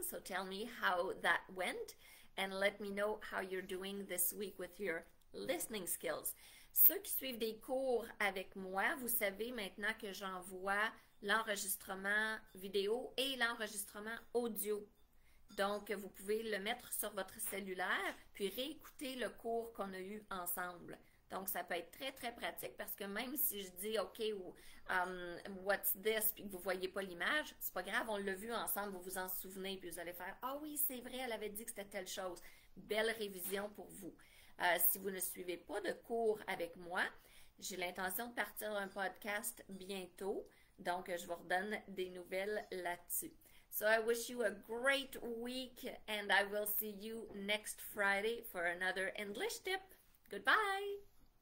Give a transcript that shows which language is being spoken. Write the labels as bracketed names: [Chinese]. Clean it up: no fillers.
[English] So tell me how that went and let me know how you're doing this week with your listening skills. [French] Ceux qui suivent des cours avec moi, vous savez maintenant que j'envoie l'enregistrement vidéo et l'enregistrement audio. Donc, vous pouvez le mettre sur votre cellulaire puis réécouter le cours qu'on a eu ensemble. Donc, ça peut être très, très pratique parce que même si je dis OK ou [English] what's this [French] puis que vous ne voyez pas l'image, c'est pas grave, on l'a vu ensemble, vous vous en souvenez puis vous allez faire ah oh, oui, c'est vrai, elle avait dit que c'était telle chose. Belle révision pour vous. Si vous ne suivez pas de cours avec moi, j'ai l'intention de partir un podcast bientôt. Donc, je vous redonne des nouvelles là-dessus. [English] So, I wish you a great week and I will see you next Friday for another English tip. Goodbye!